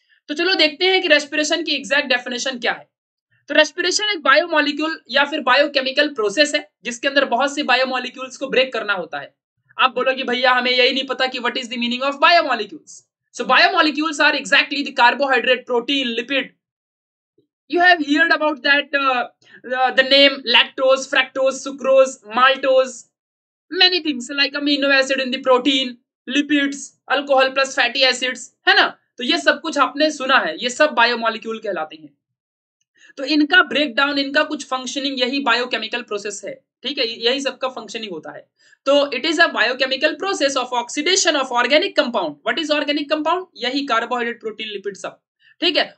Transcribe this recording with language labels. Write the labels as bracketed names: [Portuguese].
[Hindi] तो चलो देखते हैं कि रेस्पिरेशन की एग्जैक्ट डेफिनेशन क्या है। तो रेस्पिरेशन एक बायोमोलिक्यूल या फिर बायोकेमिकल प्रोसेस है जिसके अंदर बहुत से बायोमोलिक्यूल्स को ब्रेक करना होता है। आप बोलोगे भैया हमें यही नहीं पता कि [English] What is the meaning of biomolecules. So biomolecules are exactly the carbohydrate, protein, lipid, You have heard about that the name lactose, fructose, sucrose, maltose, many things like amino acid in the protein, lipids, alcohol plus fatty acids, [Hindi] है ना? तो ये सब कुछ आपने सुना है, ये सब बायोमोलिक्यूल कहलाते हैं। तो इनका ब्रेकडाउन, इनका कुछ फंक्शनिंग यही बायोकेमिकल प्रोसेस है, ठीक है, यही सबका फंक्शनिंग होता है। [English] तो it is a biochemical process of oxidation of organic compound. What is organic compound? [Hindi] यही कार्बोहाइड्रेट, प्रोटीन, लिपिड सब, ठीक है।